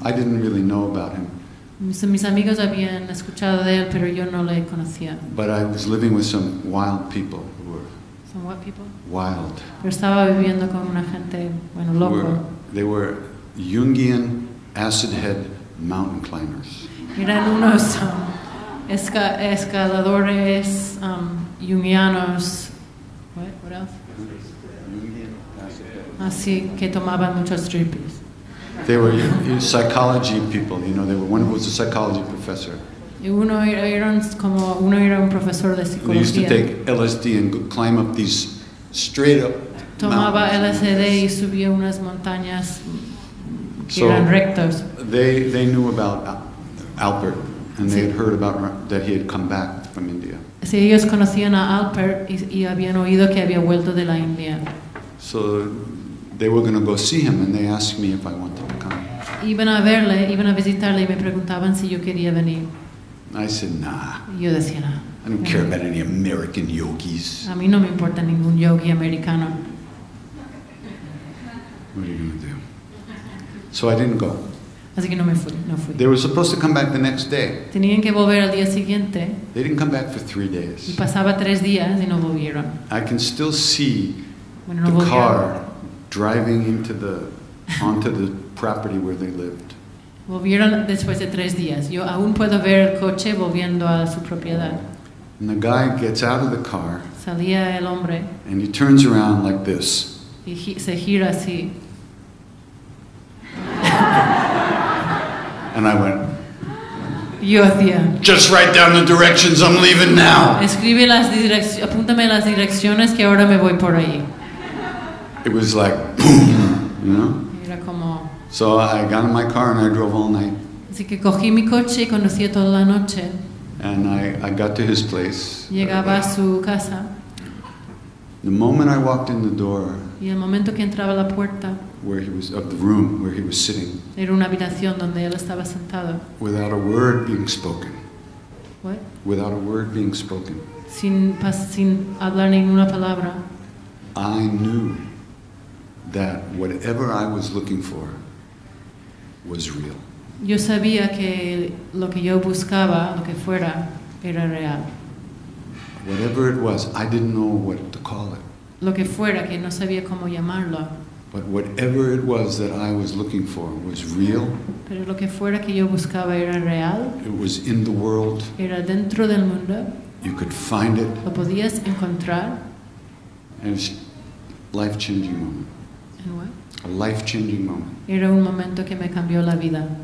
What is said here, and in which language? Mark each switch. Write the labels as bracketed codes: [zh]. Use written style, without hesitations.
[en] I didn't really know about him. [es] Mis amigos habían escuchado de él, pero yo no le conocía. [en] But I was living with some wild people who were. Some what people? Wild. [es] Pero estaba viviendo con una gente, bueno, loco. [en] They were Jungian acid head mountain climbers. [es] Eran unos escaladores jungianos. [en] What else? [es] Así que tomaban muchos trippies. [en] They were psychology people, you know. One was a psychology professor. [es] Uno era un profesor de psicología. [en] They used to take LSD and climb up these straight up. [es] Tomaba LSD y subía unas montañas que eran rectos. [en] They knew about Alpert and they had heard about that he had come back from India. [es] Sí, ellos conocían a Alpert y habían oído que había vuelto de la India. [en] So they were going to go see him and they asked me if I wanted to come. [es] Iban a verle, iban a visitarle y me preguntaban si yo quería venir. [en] I said, nah. [es] Yo decía, nah. [en] I don't care about any American yogis. [es] A mí no me importa ningún yogi americano. [en] What are you going to do? So I didn't go. [es] Así que no fui. [en] They were supposed to come back the next day. [es] Tenían que volver al día siguiente. [en] They didn't come back for 3 days. [es] Y pasaba tres días y no volvieron. [en] I can still see car driving onto the property where they lived. [es] Volvieron después de tres días. Yo aún puedo ver el coche volviendo a su propiedad. [en] And the guy gets out of the car. [es] Salía el hombre. [en] And he turns around like this. [es] Y se gira así. [en] And I went, [es] yo hacía, [en] just write down the directions, I'm leaving now. [es] Escribe las direcciones, apúntame las direcciones que ahora me voy por ahí. [en] It was like, boom, you know? [es] Era como, [en] so I got in my car and I drove all night. [es] Así que cogí mi coche y conducí toda la noche. [en] And I got to his place. [es] Llegaba a su casa. [en] The moment I walked in the door, [es] y el momento que entraba a la puerta, [en] where he was of the room where he was sitting. [es] Era una habitación donde él estaba sentado. [en] Without a word being spoken. What? Without a word being spoken. [es] Sin hablar ninguna palabra. [en] I knew that whatever I was looking for was real. [es] Yo sabía que lo que yo buscaba, lo que fuera, era real. [en] Whatever it was, I didn't know what to call it. [es] Lo que fuera, que no sabía cómo llamarlo. [en] But whatever it was that I was looking for was real. [es] Pero lo que fuera que yo buscaba era real. [en] It was in the world. [es] Era dentro del mundo. [en] You could find it. [es] Lo podías encontrar. [en] And it's a life-changing moment. And what? A life-changing moment. [es] Era un momento que me cambió la vida.